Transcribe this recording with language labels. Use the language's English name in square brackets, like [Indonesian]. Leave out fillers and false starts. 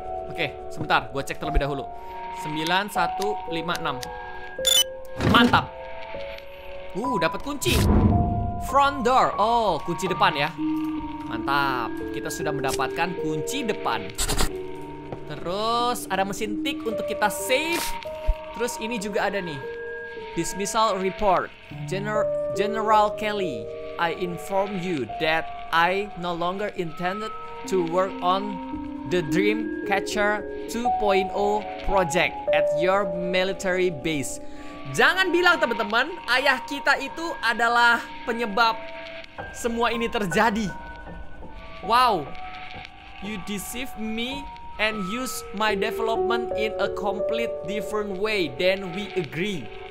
[Indonesian] Oke, sebentar, gua cek terlebih dahulu. 9156. Mantap. Dapat kunci. Front door. Oh, kunci depan ya. Mantap. Kita sudah mendapatkan kunci depan. Terus ada mesin tik untuk kita save. Terus ini juga ada nih. Dismissal report. [English] General Kelly, I inform you that I no longer intended to work on the Dreamcatcher 2.0 project at your military base. [Indonesian] Jangan bilang teman-teman, ayah kita itu adalah penyebab semua ini terjadi. Wow. [English] You deceive me and use my development in a complete different way than we agree.